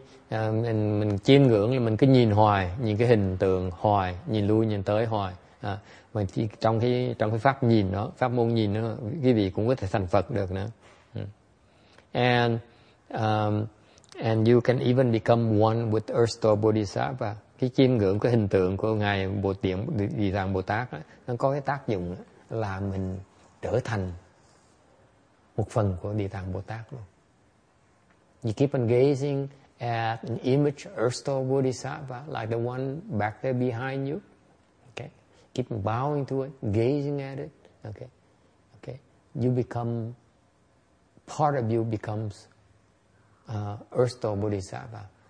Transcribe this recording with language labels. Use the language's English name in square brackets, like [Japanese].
[Vietnamese] Mình chiêm ngưỡng là mình cứ nhìn hoài, nhìn cái hình tượng hoài, nhìn lui nhìn tới hoài. Mà trong cái pháp nhìn đó, pháp môn nhìn đó, quý vị cũng có thể thành Phật được nữa. [English] And you can even become one with Earth Store Bodhisattva. [Vietnamese] Cái chiêm ngưỡng cái hình tượng của Ngài Bồ Tiện Địa Tạng Bồ Tát đó, nó có cái tác dụng là mình trở thành một phần của Địa Tạng Bồ Tát luôn. [English] You keep on gazing at an image Earth Store Bodhisattva, like the one back there behind you. Keep bowing to it, gazing at it. Okay. You become, part of you becomes Earth Store Bodhisattva.